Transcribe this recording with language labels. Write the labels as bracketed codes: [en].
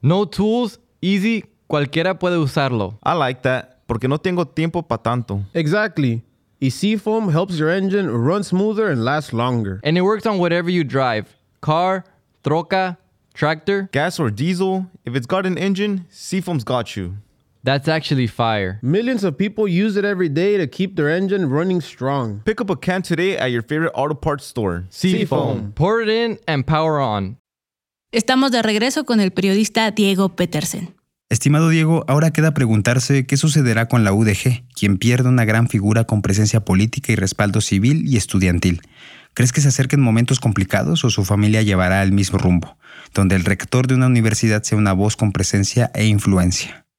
[en] No tools, easy, [es] cualquiera puede usarlo. [en] I like that, [es] porque no tengo tiempo pa' tanto. [en] Exactly. Y Seafoam helps your engine run smoother and last longer. And it works on whatever you drive. Car, troca, tractor. Gas or diesel. If it's got an engine, Seafoam's got you. That's actually fire. Millions of people use it every day to keep their engine running strong. Pick up a can today at your favorite auto parts store. Seafoam. Pour it in and power on. [es] Estamos de regreso con el periodista Diego Petersen. Estimado Diego, ahora queda preguntarse qué sucederá con la UDG, quien pierde una gran figura con presencia política y respaldo civil y estudiantil. ¿Crees que se acerquen momentos complicados o su familia llevará el mismo rumbo, donde el rector de una universidad sea una voz con presencia e influencia?